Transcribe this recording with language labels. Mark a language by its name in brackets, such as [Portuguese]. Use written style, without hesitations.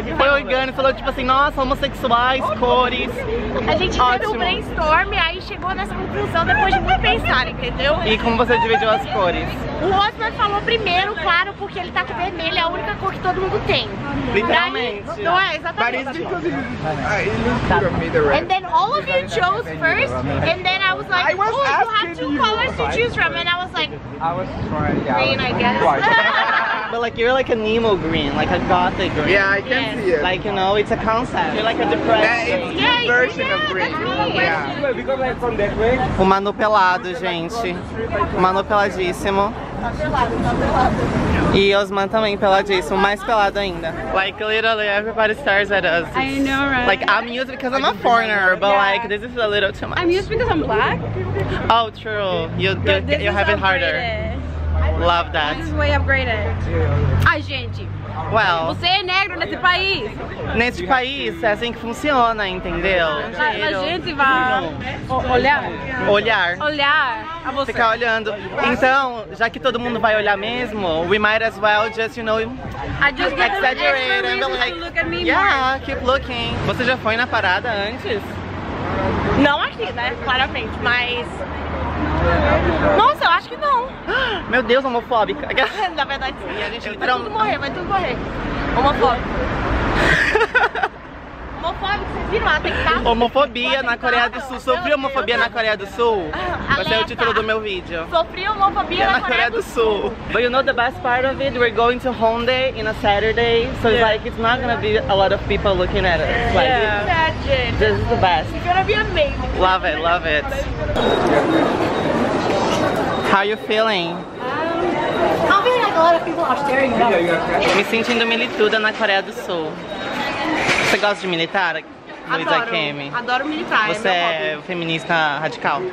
[Portuguese] Foi orgânico, falou tipo assim, nossa, homossexuais, cores. A gente teve um brainstorm, aí chegou nessa conclusão depois de muito pensar, entendeu? E como você dividiu as cores? O Osmar falou primeiro, claro, porque ele tá com vermelho, é a única cor que todo mundo tem. Literalmente. Não é, exatamente. [English] And then all of you chose first, and then I was like, oh, you have two colors to choose from, and I was like, green, I guess. But like you're like a Nemo green, like a gothic green. Yeah, I can see it. Like, you know, it's a concept. You're like a depressed green. Yeah, it's a version of green. Yeah. [Portuguese] O Manu pelado, gente. O Manu peladíssimo. Tá pelado. E Osman também peladíssimo, mais pelado ainda. [English] Like literally everybody stares at us. I know, right? Like I'm used because I'm a foreigner, but like this is a little too much. I'm used because I'm black. Oh, true. You have it harder. Love that. This is way upgraded. [Portuguese] Ai, gente. [English] Well, [Portuguese] você é negro nesse país. Nesse país é assim que funciona, entendeu? A gente vai olhar. Olhar. Olhar a você. Ficar olhando. Então, já que todo mundo vai olhar mesmo, [English] we might as well just, you know, exaggerate and be like, look at me yeah, more. Keep looking. [Portuguese] Você já foi na parada antes? Não aqui, né? Claramente, mas... Nossa, eu acho que não. Meu Deus, homofóbica. Na verdade, sim. A gente vai tudo morrer. Homofóbico. Homofóbico, vocês viram? Atentado. Homofobia na Coreia do Sul. Sofri homofobia na Coreia do Sul? Vai ser o título do meu vídeo. Sofri homofobia na Coreia do Sul. [English] But you know the best part of it? We're going to Hongdae in a Saturday. So it's like, it's not gonna be a lot of people looking at us. Like, yeah. Imagine. This is the best. It's gonna be amazing. Love it, love it. How are you feeling? I'm feeling like a lot of people are staring at me. [Portuguese] Me sentindo milituda na Coreia do Sul. Você gosta de militar, Luísa Kemi? Adoro militar. Você é feminista radical?